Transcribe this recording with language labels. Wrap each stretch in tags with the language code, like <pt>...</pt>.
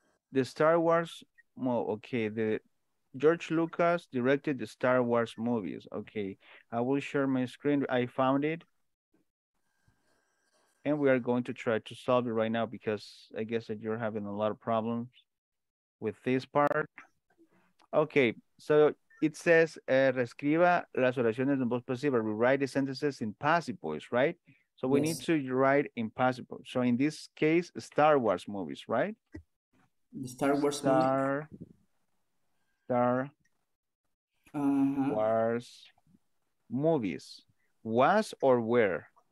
<en>The Star Wars, the George Lucas directed the Star Wars movies. Okay, I will share my screen. I found it. And we are going to try to solve it right now because I guess that you're having a lot of problems with this part. Okay, so It says,</en> <es>reescriba las oraciones en voz pasiva.</es> <en>Rewrite the sentences in passive voice, right? So we need to write in passive voice. So in this case, Star Wars movies, right? Star Wars movies. Was or where?</en>